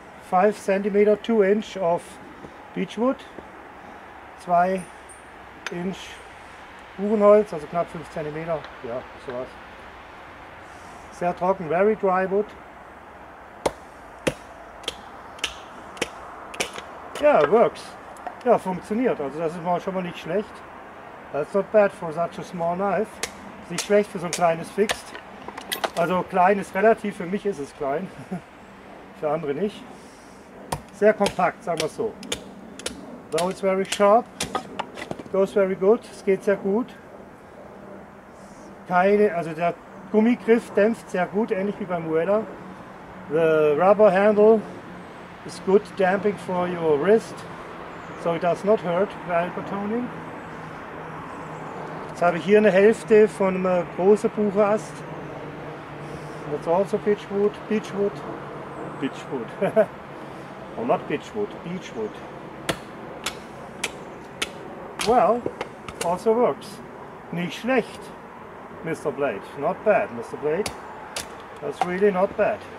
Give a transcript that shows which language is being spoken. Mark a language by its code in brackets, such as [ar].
[en] 5 cm 2 inch of Beechwood. [de] 2 inch Buchenholz, also knapp 5 cm. Ja, sowas. Sehr trocken, [en] very dry wood. [de] Ja, [en] yeah, works. [de] Ja, funktioniert. Also das ist mal schon mal nicht schlecht. [en] That's not bad for such a small knife. [de] Nicht schlecht für so ein kleines Fixed. Also klein ist relativ, für mich ist es klein. Für andere nicht. Sehr kompakt, sagen wir es so. [en] Now it's very sharp. Goes very good. [de] Es geht sehr gut. Keine, also der Gummigriff dämpft sehr gut, ähnlich wie beim Weller. [en] The rubber handle is good damping for your wrist, so it does not hurt while toning. [de] Jetzt habe ich hier eine Hälfte von einem großen Buchenast. [en] That's also pitchwood. Beechwood. Beechwood. Well, not pitchwood, beechwood. Well, also works. [de] Nicht schlecht, Mr. Blade. [en] Not bad, Mr. Blade. That's really not bad.